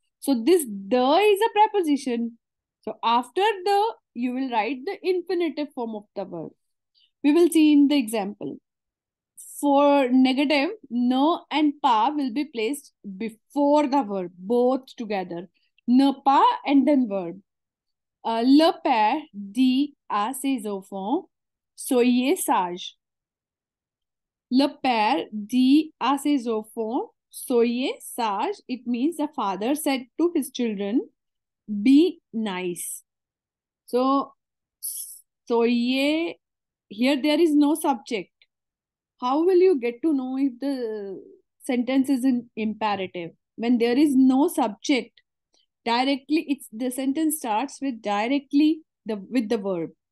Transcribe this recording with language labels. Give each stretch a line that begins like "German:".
English: So, this the is a preposition. So, after the, you will write the infinitive form of the verb. We will see in the example. For negative, ne and pa will be placed before the verb, both together. Ne pa and then verb.
French: Le père dit à ses enfants, soyez sage. Le père dit à ses enfants, soyez sage.
English: It means the father said to his children, be nice. So, soyez, here there is no subject. How will you get to know if the sentence is in imperative? When there is no subject, directly, it's the sentence starts with directly the with the verb.